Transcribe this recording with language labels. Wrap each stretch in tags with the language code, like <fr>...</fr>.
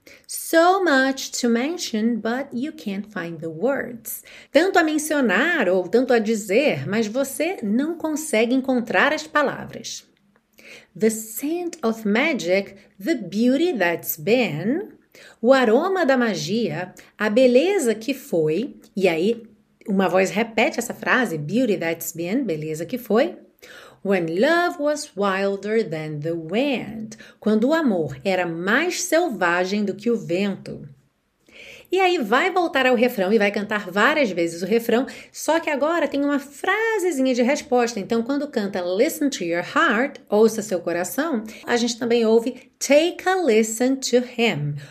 <en>So much to mention, but you can't find the words.</en> <pt>Tanto a mencionar ou tanto a dizer, mas você não consegue encontrar as palavras.</pt> <en>The scent of magic, the beauty that's been.</en> <pt>O aroma da magia, a beleza que foi. E aí, uma voz repete essa frase:</pt> <en>beauty that's been,</en> <pt>beleza que foi.</pt> <en>When love was wilder than the wind.</en> <pt>Quando o amor era mais selvagem do que o vento. E aí vai voltar ao refrão e vai cantar várias vezes o refrão, só que agora tem uma frasezinha de resposta. Então, quando canta Listen to Your Heart, ouça seu coração, a gente também ouve</pt> <en>Take a listen to him.</en>